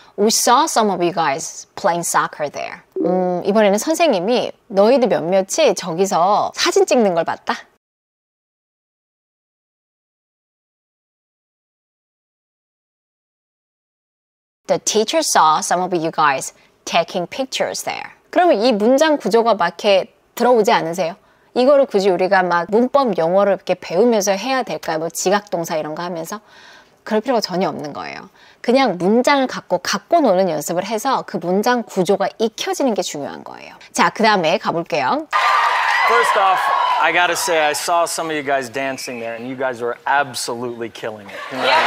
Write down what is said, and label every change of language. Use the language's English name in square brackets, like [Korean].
[English] We saw some of you guys playing soccer there. [Korean] 이번에는 선생님이 너희들 몇몇이 저기서 사진 찍는 걸 봤다. 그러면 이 문장 구조가 막 이렇게 들어오지 않으세요? 이거를 굳이 우리가 막 문법 영어를 이렇게 배우면서 해야 될까요? 뭐 지각동사 이런 거 하면서? 그럴 필요가 전혀 없는 거예요. 그냥 문장을 갖고 노는 연습을 해서 그 문장 구조가 익혀지는 게 중요한 거예요. 자, 그 다음에 가볼게요. [English] First off, I gotta say I saw some of you guys dancing there and you guys were absolutely killing it.